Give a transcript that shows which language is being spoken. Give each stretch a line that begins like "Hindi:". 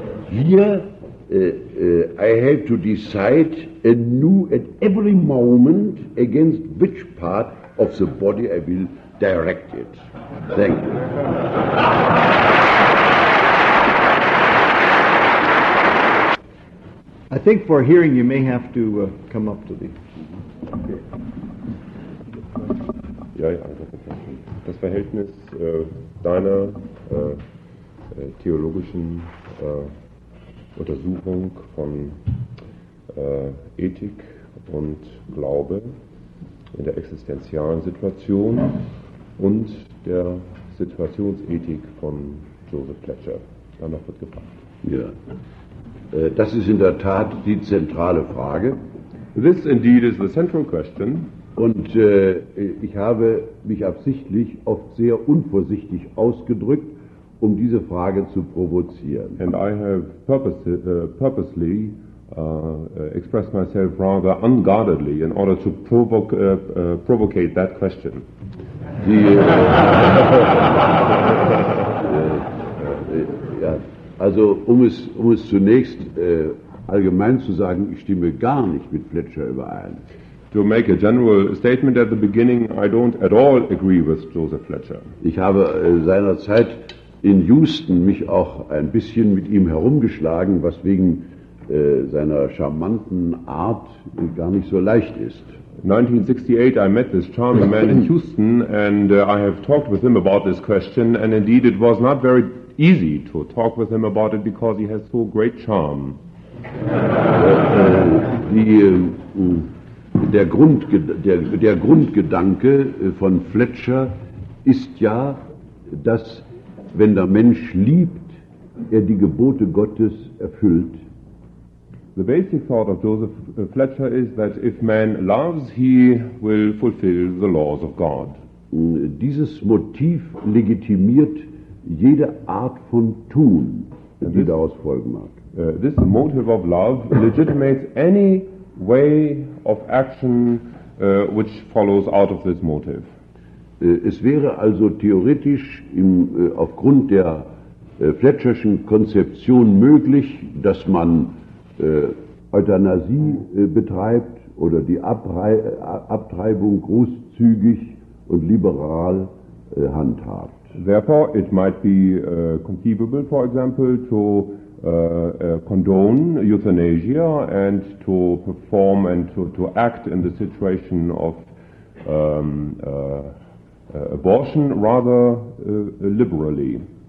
English: Here I have to decide anew at every moment against which part of the body I will direct it. Thank you. I think for a hearing you may have to come up to the.
German: Ja, einfach verstanden. Das Verhältnis deiner theologischen Untersuchung von Ethik und Glaube in der existenziellen Situation und der Situationsethik von Joseph Pletcher. Danach wird gefragt. Ja. Das ist in der Tat die zentrale Frage.
English: This indeed is the central question.
German: Und ich habe mich absichtlich oft sehr unvorsichtig ausgedrückt, um diese Frage zu provozieren.
English: And I have purposely expressed myself rather unguardedly in order to provocate that question.
German: Die, Also um es zunächst allgemein zu sagen, ich stimme gar nicht mit Pletcher überein.
English: To make a general statement at the beginning, I don't at all agree with Joseph Pletcher.
German: Ich habe seinerzeit in Houston mich auch ein bisschen mit ihm herumgeschlagen, was wegen seiner charmanten Art gar nicht so leicht ist.
English: 1968 I met this charming man in Houston and I have talked with him about this question and indeed it was not very easy to talk with him about it because he has so great charm.
German: Der Grundgedanke von Fletcher ist ja, dass wenn der Mensch liebt, er die Gebote Gottes erfüllt.
English: The basic thought of Joseph Fletcher is that if man loves, he will fulfill the laws of God.
German: Dieses Motiv legitimiert jede Art von Tun, die daraus folgen mag.
English: This motive of love legitimates any way of action which follows out of this motive.
German: Es wäre also theoretisch im, aufgrund der Fletcherschen Konzeption möglich, dass man Euthanasie betreibt oder die Abtreibung großzügig und liberal handhabt.
English: Therefore, it might be conceivable, for example, to condone euthanasia and to perform and to act in the situation of abortion rather liberally.